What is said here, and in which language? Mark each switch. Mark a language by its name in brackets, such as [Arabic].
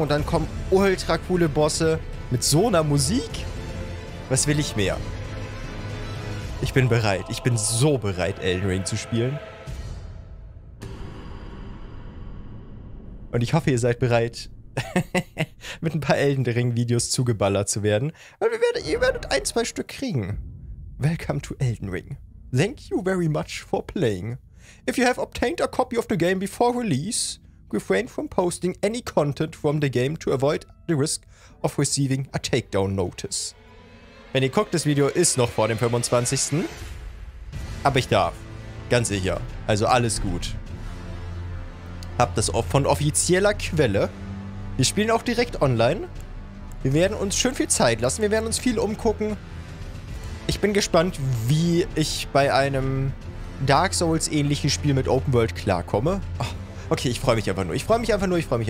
[German] Und dann kommen ultra coole Bosse mit so einer Musik. Was will ich mehr? Ich bin bereit. Ich bin so bereit, Elden Ring zu spielen. Und ich hoffe, ihr seid bereit, mit ein paar Elden Ring-Videos zugeballert zu werden. Weil ihr werdet ein, zwei Stück kriegen. [English] Welcome to Elden Ring. Thank you very much for playing. If you have obtained a copy of the game before release, refrain from posting any content from the game to avoid the risk of receiving a takedown notice. [German] Wenn ihr guckt, das Video ist noch vor dem 25. Aber ich darf. Ganz sicher. Also alles gut. Hab das von offizieller Quelle. Wir spielen auch direkt online. Wir werden uns schön viel Zeit lassen. Wir werden uns viel umgucken. Ich bin gespannt, wie ich bei einem Dark Souls-ähnliches Spiel mit Open World klarkomme. Okay, ich freue mich einfach nur. Ich freue mich einfach nur.